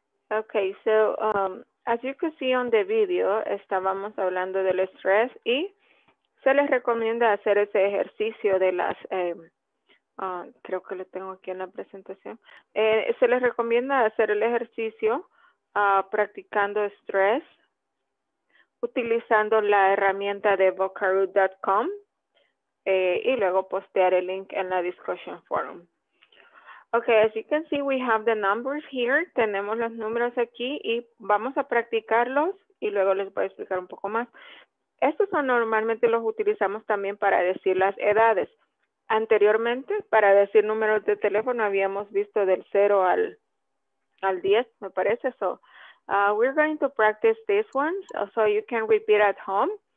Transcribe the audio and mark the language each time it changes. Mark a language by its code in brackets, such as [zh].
[en] Okay, so as you can see on the video, [es] estábamos hablando del estrés y se les recomienda hacer ese ejercicio de las, creo que lo tengo aquí en la presentación, se les recomienda hacer el ejercicio practicando estrés utilizando la herramienta de vocaroo.com y luego postear el link en la discussion forum. [en] Okay, as you can see, we have the numbers here. [es] Tenemos los números aquí y vamos a practicarlos y luego les voy a explicar un poco más. Estos son normalmente los utilizamos también para decir las edades. Anteriormente, para decir números de teléfono, habíamos visto del 0 al 10, me parece. [en] So, we're going to practice this one so you can repeat at home.